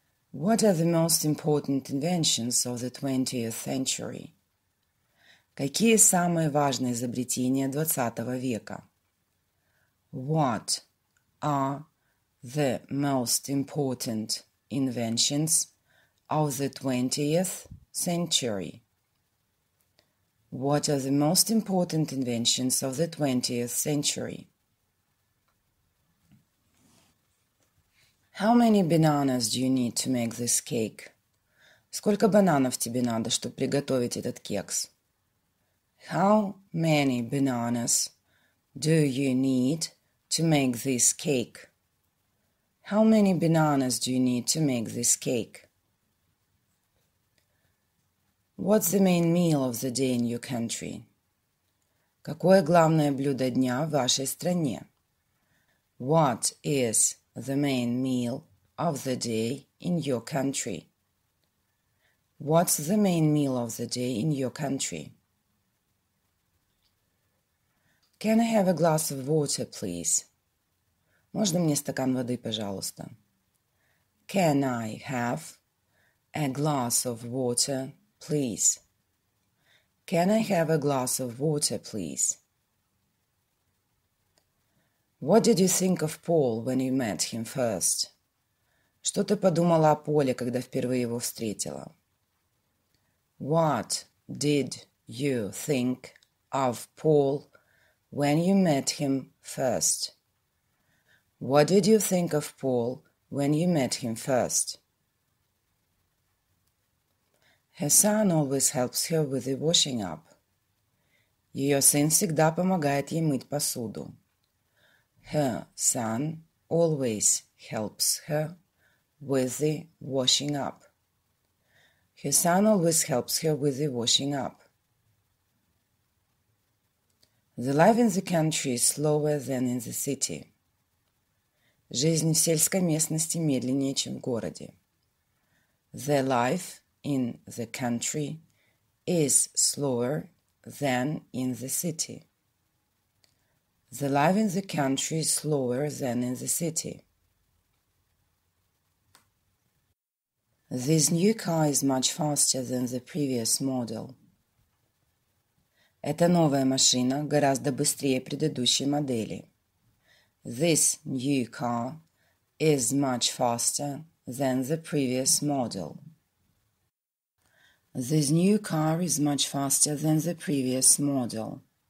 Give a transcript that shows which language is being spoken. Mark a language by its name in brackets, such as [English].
[English] What are the most important inventions of the 20th century? [Russian] Какие самые важные изобретения 20 века? [English] What are the most important inventions of the 20th century? What are the most important inventions of the 20th century? How many bananas do you need to make this cake? [Russian] Сколько бананов тебе надо, чтобы приготовить этот кекс? [English] How many bananas do you need to make this cake? How many bananas do you need to make this cake? What's the main meal of the day in your country? [Russian] Какое главное блюдо дня в вашей стране? [English] What is the main meal of the day in your country? What's the main meal of the day in your country? Can I have a glass of water, please? [Russian] Можно мне стакан воды, пожалуйста? [English] Can I have a glass of water, please? Can I have a glass of water, please? What did you think of Paul when you met him first? [Russian] Что ты подумала о Поле, когда впервые его встретила? [English] What did you think of Paul when you met him first? What did you think of Paul when you met him first? Her son always helps her with the washing up. [Russian] Ее сын всегда помогает ей мыть посуду. [English] Her son always helps her with the washing up. Her son always helps her with the washing up. The life in the country is slower than in the city. [Russian] Жизнь в сельской местности медленнее, чем в городе. [English] The life in the country is slower than in the city. The life in the country is slower than in the city. This new car is much faster than the previous model. [Russian] Эта новая машина гораздо быстрее предыдущей модели. [English] This new car is much faster than the previous model. This new car is much faster than the previous model.